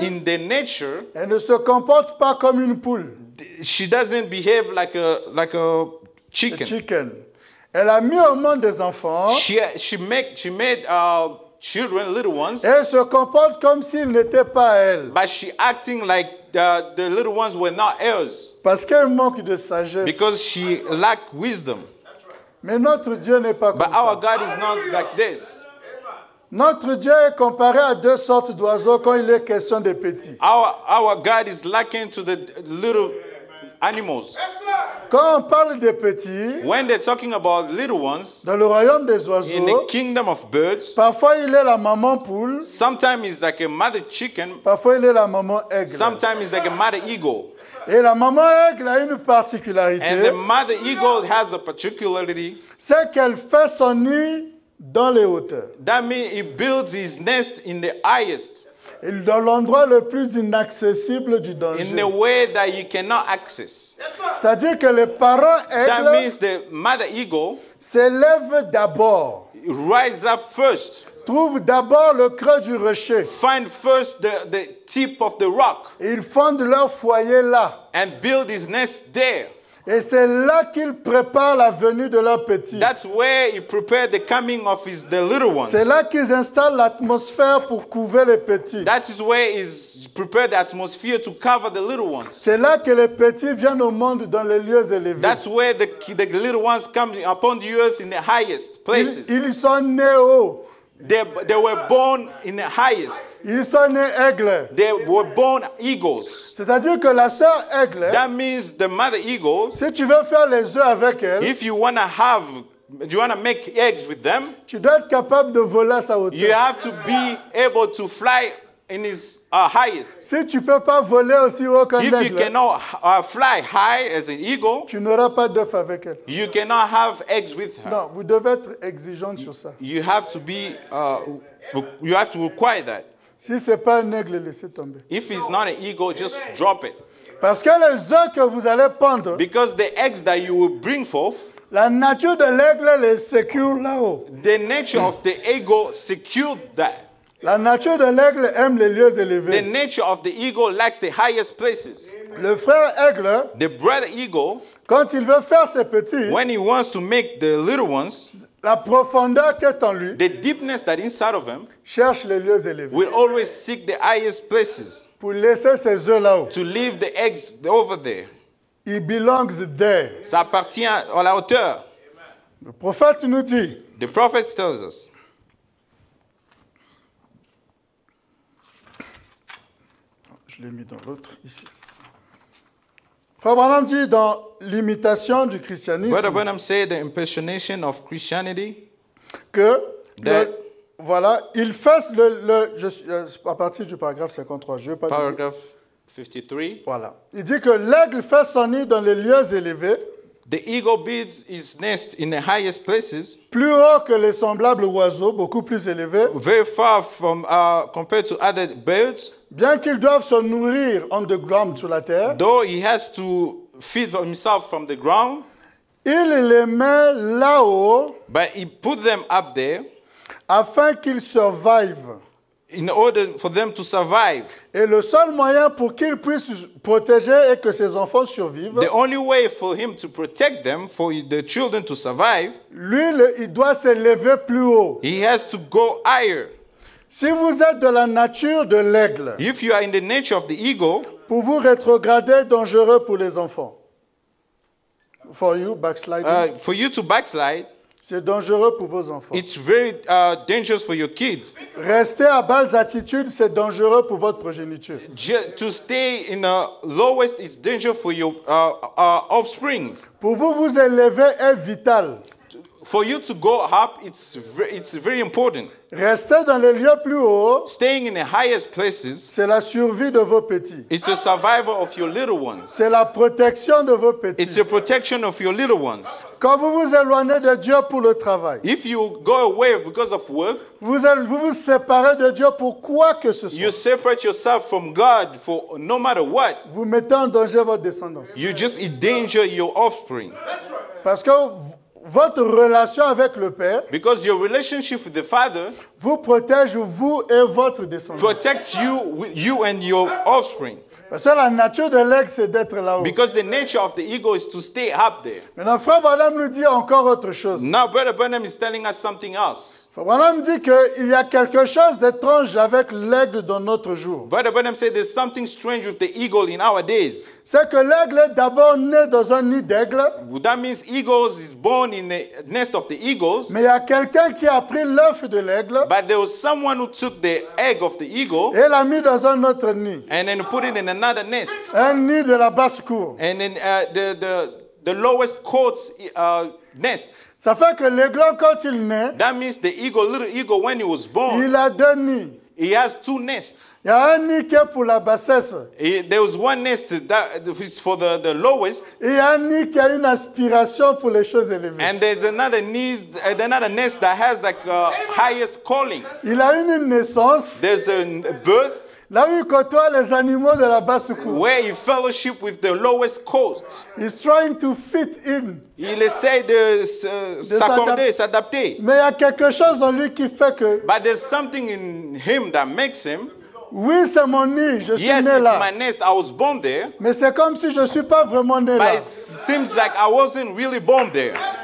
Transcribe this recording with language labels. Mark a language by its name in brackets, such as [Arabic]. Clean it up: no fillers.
[English] in their nature, [French] elle ne se comporte pas comme une poule. [English] She doesn't behave like a chicken. A chicken. [French] Elle a mis au monde des enfants. [English] She made children, little ones. [French] Elle se comporte comme s'ils n'étaient pas elle. [English] But she acting like the little ones were not hers. [French] Parce qu'elle manque de sagesse. [English] Because she lacked wisdom. [French] Mais notre Dieu n'est pas [English] but [French] comme ça. [English] But our God is not like this. [French] Notre Dieu est comparé à deux sortes d'oiseaux quand il est question des petits. [English] Our God is likened to the little animals. [French] Quand on parle des petits, [English] when they're talking about little ones, [French] dans le royaume des oiseaux, [English] in the kingdom of birds, [French] parfois il est la maman poule. [English] Sometimes it's like a mother chicken. [French] Parfois il est la maman aigle. [English] Sometimes it's like a mother eagle. [French] Et la maman aigle a une particularité. [English] And the mother eagle has a particularity. [French] C'est qu'elle fait son nid dans les hauteurs. [English] That means he builds his nest in the highest. [French] Et dans l'endroit le plus inaccessible du danger. [English] In a way that you cannot access. [French] C'est-à-dire que les parents aigles. [English] That means the mother eagle. [French] S'élève d'abord. [English] Rise up first. [French] Trouve d'abord le creux du rocher. [English] Find first the tip of the rock. [French] Ils fondent leur foyer là. [English] And build his nest there. [French] Et c'est là qu'il prépare la venue de leur petit. [English] That's where he prepared the coming of his the little ones. [French] C'est là qu'ils installent l'atmosphère pour couver les petits. [English] That is where he prepared the atmosphere to cover the little ones. [French] C'est là que les petits viennent au monde dans les lieux élevés. [English] That's where the little ones come upon the earth in the highest places. [French] Ils sont nés haut. [English] They were born in the highest. [French] Ils sont nés aigles. [English] They were born eagles. [French] C'est-à-dire que la sœur aigle. [English] That means the mother eagle. [French] Si tu veux faire les œufs avec elle. [English] If you wanna have, you wanna make eggs with them. [French] Tu dois être capable de voler sa hauteur. [English] You have to be able to fly in his highest. [French] Si tu peux pas voler aussi haut qu'un aigle. [English] If you cannot fly high as an eagle. [French] Tu n'auras pas d'œufs avec elle. [English] You cannot have eggs with her. [French] Non, vous devez être exigeant sur ça. [English] You have to be you have to require that. [French] Si c'est pas un aigle, laissez tomber. [English] If it's not an eagle, just drop it. [French] Parce que les œufs que vous allez pondre. [English] Because the eggs that you will bring forth. [French] La nature de l'aigle les secure là-haut. [English] The nature of the eagle secured that. [French] La nature de l'aigle aime les lieux élevés. [English] The nature of the eagle likes the highest places. [French] Le frère aigle, [English] the brother eagle, [French] quand il veut faire ses petits, [English] when he wants to make the little ones, [French] la profondeur qui est en lui, [English] the deepness that inside of him, [French] cherche les lieux élevés. [English] Will always seek the highest places. [French] Pour laisser ses œufs là-haut. [English] To leave the eggs over there. He belongs there. [French] Ça appartient à la hauteur. Le prophète nous dit. [English] The prophet tells us. [French] Je l'ai mis dans l'autre, ici. Frère Branham dit, dans l'imitation du christianisme, [English] Brother Branham said the impersonation of Christianity, [French] que, that, voilà, il fasse le je, à partir du paragraphe 53, je ne vais pas [English] paragraph dire. 53. [French] Voilà. Il dit que l'aigle fait son nid dans les lieux élevés. [English] The eagle builds his nest in the highest places. [French] Plus haut que les semblables oiseaux, beaucoup plus élevés. [English] Very far from compared to other birds. [French] Bien qu'ils doivent se nourrir underground sous la terre. [English] Though he has to feed himself from the ground. [French] Il les met là-haut. [English] But he put them up there. [French] Afin qu'ils survivent. [English] In order for them to survive. [French] Et le seul moyen pour qu'il puisse protéger et que ses enfants survivent. [English] The only way for him to protect them, for the children to survive. [French] Lui, il doit s'élever plus haut. [English] He has to go higher. [French] Si vous êtes de la nature de l'aigle, [English] if you are in the nature of the eagle, [French] pour vous rétrograder dangereux pour les enfants. [English] For you backsliding. For you to backslide, [French] c'est dangereux pour vos enfants. [English] It's very dangerous for your kids. [French] Rester à basses attitudes, c'est dangereux pour votre progéniture. [English] To stay in the lowest is dangerous for your offspring. [French] Pour vous, vous élever est vital. [English] For you to go up, it's very important. [French] Rester dans les lieux plus hauts, [English] staying in the highest places, [French] c'est la survie de vos petits. [English] It's the survival of your little ones. [French] C'est la protection de vos petits. [English] It's the protection of your little ones. [French] Quand vous vous éloignez de Dieu pour le travail, [English] if you go away because of work, [French] vous séparez de Dieu pour quoi que ce soit. [English] You separate yourself from God for no matter what. [French] Vous mettez en danger votre descendance. [English] You just endanger your offspring. [French] Parce que votre relation avec le Père, [English] because your relationship with the Father, [French] vous protège vous et votre descendance. [English] Protects you and your offspring. [French] Parce que la nature de l'aigle, c'est d'être là-haut. [English] Because the nature of the ego is to stay up there. [French] Maintenant, Frère Branham nous dit encore autre chose. [English] Now, Brother Branham is telling us something else. [French] Frère Branham dit qu'il y a quelque chose d'étrange avec l'aigle dans notre jour. [English] Brother Branham said there's something strange with the eagle in our days. [French] C'est que l'aigle est d'abord né dans un nid d'aigle. [English] That means eagles is born in the nest of the eagles. [French] Mais il y a quelqu'un qui a pris l'œuf de l'aigle. [English] But there was someone who took the egg of the eagle. [French] Et l'a mis dans un autre nid. [English] And then put it in another nest. [French] Un nid de la basse cour. [English] And then the lowest courts nest. [French] Ça fait que l'aigle quand il naît. [English] That means the eagle, little eagle, when he was born. [French] Il a deux nids. [English] He has two nests. [French] Il y a un nid qui est pour la bassesse. [English] There was one nest that is for the lowest. [French] Il y a un nid qui a une aspiration pour les choses élevées. [English] And there's another nest that has like highest calling. [French] Il a une naissance. [English] There's a birth. [French] Là où il côtoie les animaux de la basse cour. [English] Where he fellowship with the lowest coast. He's trying to fit in. [French] Il essaie de s'accorder, s'adapter. Mais il y a quelque chose en lui qui fait que. [English] But there's something in him that makes him. [French] Oui, c'est mon nid, je suis né là. [English] Yes, it's my nest. I was born there. [French] Mais c'est comme si je suis pas vraiment né [English] but [French] là. [English] But it seems like I wasn't really born there.